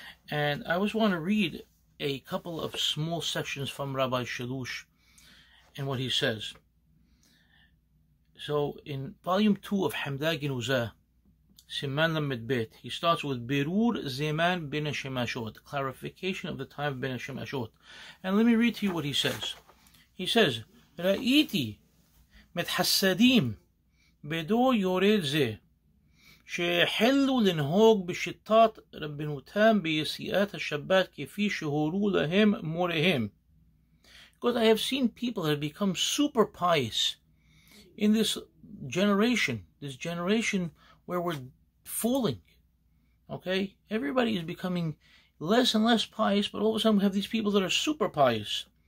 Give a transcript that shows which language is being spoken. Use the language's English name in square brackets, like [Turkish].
[English] And I just want to read a couple of small sections from Rabbi Chelouche and what he says. So in volume 2 of Hamdagin Uzeh, Siman Lamedbet, he starts with Birur Zeman Ben Hashemashot, clarification of the time of Ben Hashemashot. And let me read to you what he says. He says, [Hebrew] Ra'iti met hassadim bedo yored zeh, שהחלו לנהוג בשיטת רבנו תם ביציאת השבת כפי שהורו להם מוריהם. [English] Because I have seen people that have become super pious in this generation where we're falling. Okay? Everybody is becoming less and less pious, but all of a sudden we have these people that are super pious.